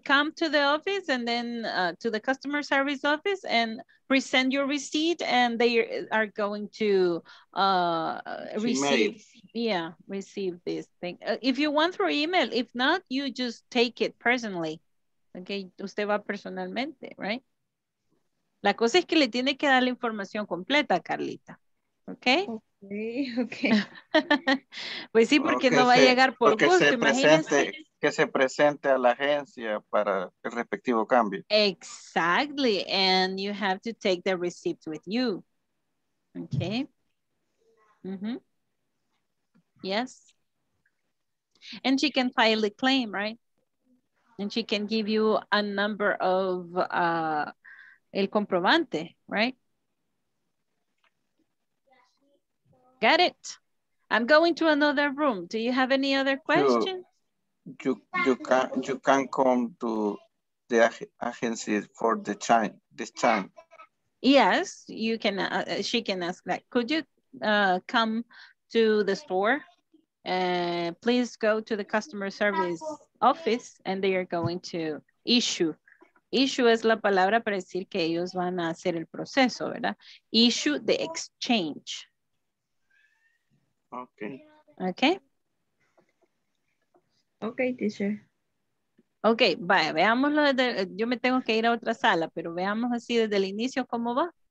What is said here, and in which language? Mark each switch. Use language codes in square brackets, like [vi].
[en] Come to the office and then to the customer service office and present your receipt and they are going to receive. Yeah, receive this thing. If you want through email, if not, you just take it personally. [es] Okay, usted va personalmente, [en] right? [es] La cosa es que le tiene que dar la información completa, Carlita. [en] Okay. Okay. [es] Pues sí, porque no va a llegar por gusto, imagínense. Que se presente a la agencia para el respectivo cambio. [en] Exactly, and you have to take the receipt with you. Okay. Mm-hmm. Yes. And she can file the claim, right? And she can give you a number of [es] el comprobante, [en] right? Got it. I'm going to another room. Do you have any other questions? You can come to the agency for the time. This time. Yes, you can. She can ask that. Could you come to the store? Please go to the customer service office, and they are going to issue. [es] Issue es la palabra para decir que ellos van a hacer el proceso, ¿verdad? [en] Issue the exchange. Okay. Okay. Okay, teacher. [es] Okay, vaya, veámoslo desde. Yo me tengo que ir a otra sala, pero veamos así desde el inicio cómo va.